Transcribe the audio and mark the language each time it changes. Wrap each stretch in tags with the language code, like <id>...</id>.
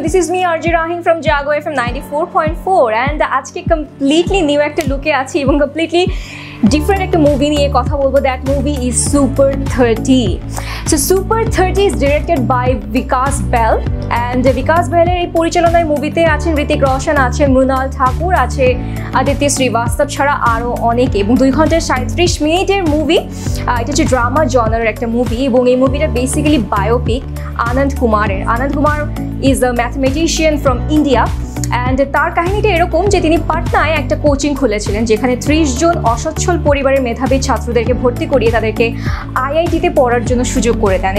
<en>This is me, RJ Rahin from Jago FM 94.4.</en> <bn>And আজকে completely new একটা লুকে আছি এবং completely different একটা মুভি নিয়ে কথা বলবো.</bn> <en>That movie is Super 30. So Super 30 is directed by Vikas Bell.</en> <bn>And Vikas Bell এর এই পরিচালনায় মুভিতে আছেন ঋতিক রোশন, আছে মৃণাল ঠাকুর, আছে আদিত্য শ্রীবাস্তব ছাড়া আরও অনেকে. এবং 2 ঘন্টা 37 মিনিটের মুভি. এটা হচ্ছে ড্রামা জনারের একটা মুভি এবং এই মুভিটা বেসিক্যালি বায়োপিক আনন্দ কুমারের. আনন্দ Kumar is a mathematician from India. And তার কাহিনিটা এরকম যে তিনি পাটনায় একটা কোচিং খুলেছিলেন যেখানে 30 জন অসচ্ছল পরিবারের মেধাবী ছাত্রদেরকে ভর্তি করিয়ে তাদেরকে আইআইটিতে পড়ার জন্য সুযোগ করে দেন.</bn>